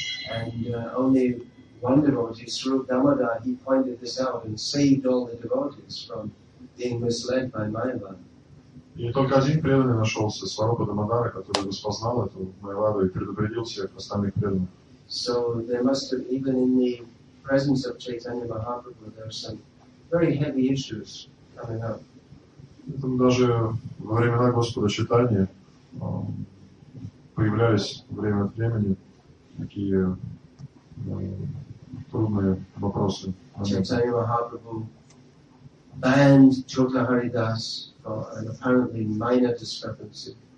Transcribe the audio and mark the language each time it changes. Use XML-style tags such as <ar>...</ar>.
<en>And only one devotee, Sri Damodar, he pointed this out and saved all the devotees from being misled by Mayavada.</en> <ru>И только один преданный нашелся, Сварупа Дамодара, который распознал эту Майваду и предупредил всех остальных преданных.</ru> <en>So there must have, even in the presence of Chaitanya Mahaprabhu, there are some very heavy issues coming up.</en> <ru>Поэтому даже во времена Господа Чайтанья появлялись время от времени такие трудные вопросы.</ru> <en>Chaitanya Mahaprabhu banned Chota Haridas for an apparently minor discrepancy.</en>